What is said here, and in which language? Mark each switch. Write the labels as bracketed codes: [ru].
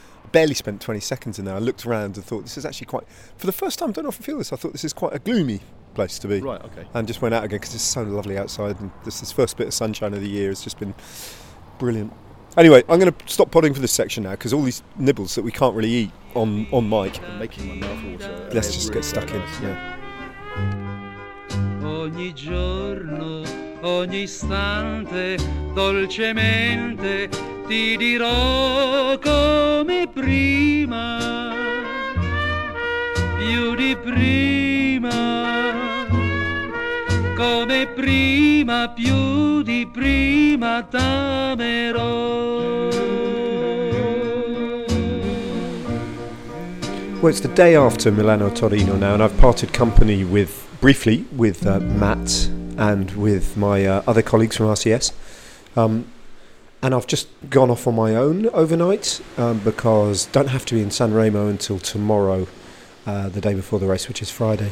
[en] barely spent 20 seconds in there. I looked around and thought, this is actually quite... For the first time, I don't often feel this. I thought this is quite a gloomy place to be. Right, okay. And just went out again because it's so lovely outside. And this first bit of sunshine of the year has just been brilliant. Anyway, I'm going to stop podding for this section now because all these nibbles that we can't really eat on mic. I'm making my mouth water. Let's just get stuck in. Yeah. [it] Ogni giorno, ogni istante, dolcemente, ti dirò come prima, più di prima, come prima, più di prima t'amerò. [en] Well, it's the day after Milano-Torino now, and I've parted company briefly with Matt and with my other colleagues from RCS. And I've just gone off on my own overnight because don't have to be in San Remo until tomorrow, the day before the race, which is Friday.